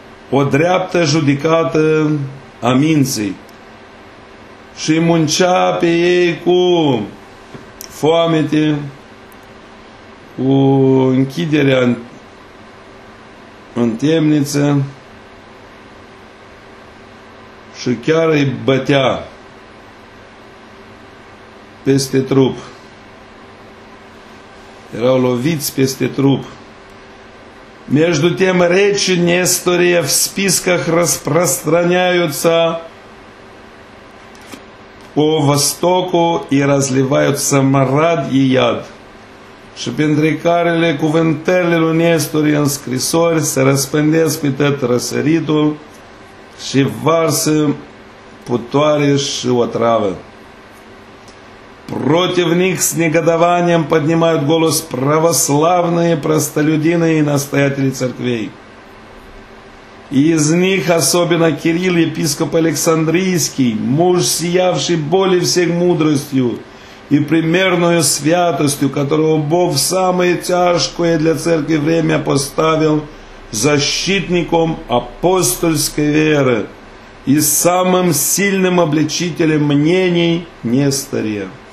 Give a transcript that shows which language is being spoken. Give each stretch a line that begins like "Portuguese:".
Romanian: o dreaptă judecată a minții și muncea pe ei cu foamete, cu închiderea în temniță și chiar îi bătea peste trup. Erau loviți peste trup.
Russian: Между тем речи Нестория в списках распространяются по востоку и разливаются мрад и яд.
Romanian: Și pentru care cuvântările lui Nestori în scrisori se răspândesc pe tot răsăritul și varsă putoare și otravă.
Russian: Против них с негодованием поднимают голос православные простолюдины и настоятели церквей. И из них особенно Кирилл, епископ Александрийский, муж, сиявший более всех мудростью и примерную святостью, которого Бог в самое тяжкое для церкви время поставил защитником апостольской веры и самым сильным обличителем мнений Нестория.